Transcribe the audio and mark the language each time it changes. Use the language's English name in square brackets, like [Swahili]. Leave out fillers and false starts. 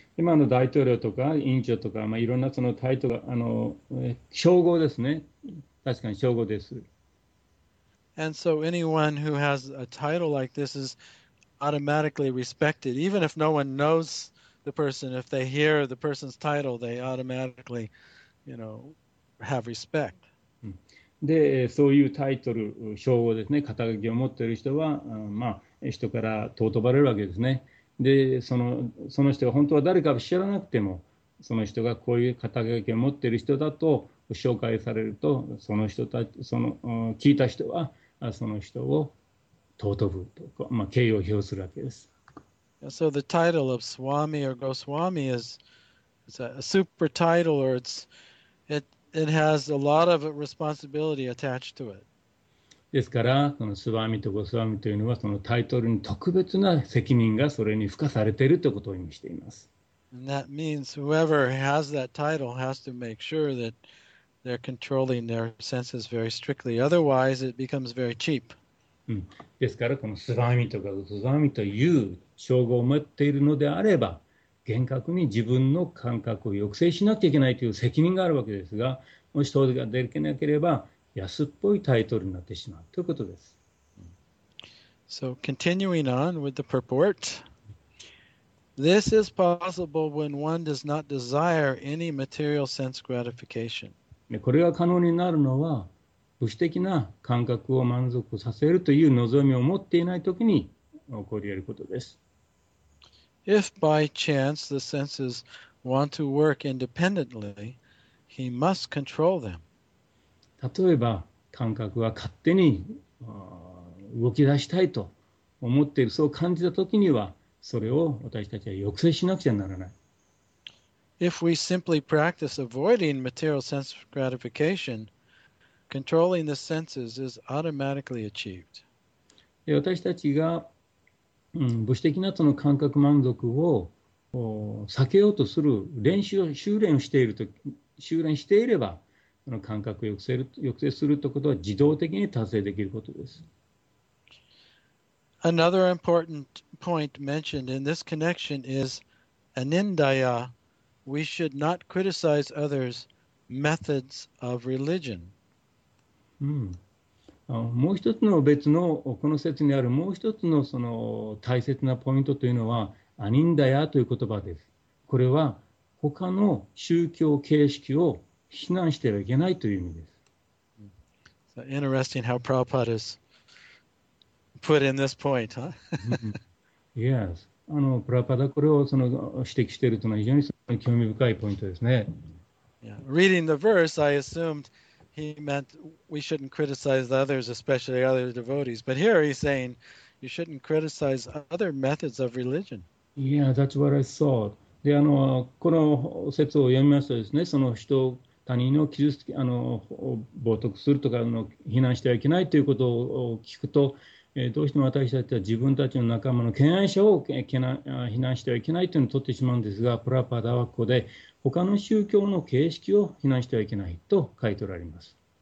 [Japanese] 今の大統領とか委員長とか、まあ、いろんなそのタイトル、称号ですね。確かに称号です。 [English] And so anyone who has a title like this is automatically respected. Even if no one knows the person, if they hear the person's title, they automatically, you know, have respect. [Japanese] で、そういうタイトル、称号ですね、肩書きを持っている人は、まあ、人から尊ばれるわけですね。で、その人が本当は誰かを知らなくても、その人がこういう肩書きを持っている人だと紹介されると、その人たち、その、聞いた人は、その人を尊ぶと、まあ、敬意を表するわけです。 [English] So the title of Swami or Goswami is a super title, or it has a lot of responsibility attached to it. [Japanese] ですから、このスワミとゴスワミというのは、そのタイトルに特別な責任がそれに付加されているということを意味しています。 [English] And that means whoever has that title has to make sure that they're controlling their senses very strictly. Otherwise, it becomes very cheap. [Japanese] ですから、このスワミとかゴスワミという称号を持っているのであれば、厳格に自分の感覚を抑制しなきゃいけないという責任があるわけですが、もし当時ができなければ、安っぽいタイトルになってしまうということです。 [English] So, continuing on with the purport. This is possible when one does not desire any material sense gratification. [Japanese] これが可能になるのは、物質的な感覚を満足させるという望みを持っていないときに起こり得ることです。 [English] If by chance the senses want to work independently, he must control them. [Japanese] 例えば感覚が勝手に動き出したいと思っている、そう感じたときにはそれを私たちは抑制しなくちゃならない。 [English] If we simply practice avoiding material sense gratification, controlling the senses is automatically achieved. [Japanese] 私たちが物質的なその感覚満足を避けようとする練習を修練していると修練していれば、その感覚を抑制するということは自動的に達成できることです。 [English] Another important point mentioned in this connection is anindaya. We should not criticize others' methods of religion. [Japanese] もう一つの別のこの説にあるもう一つのその大切なポイントというのはアニンダヤという言葉です。これは他の宗教形式を非難してはいけないという意味です。 [English] So、interesting how Prabhupada has put in this point, huh? Yes. [Japanese] プラパダこれをその指摘しているというのは非常に興味深いポイントですね。 [English] Yeah. Reading the verse, I assumed he meant we shouldn't criticize others, especially other devotees. But here he's saying you shouldn't criticize other methods of religion. Yeah, that's what I thought. [Japanese] で、この説を読みますとですね、その人他人を傷つけ、冒涜するとか非難してはいけないということを聞くと、どうしても私たちは自分たちの仲間の敬愛者を非難してはいけないというのを取ってしまうんですが、プラパダはここで他の宗教の形式を非難してはいけないと書いておられます。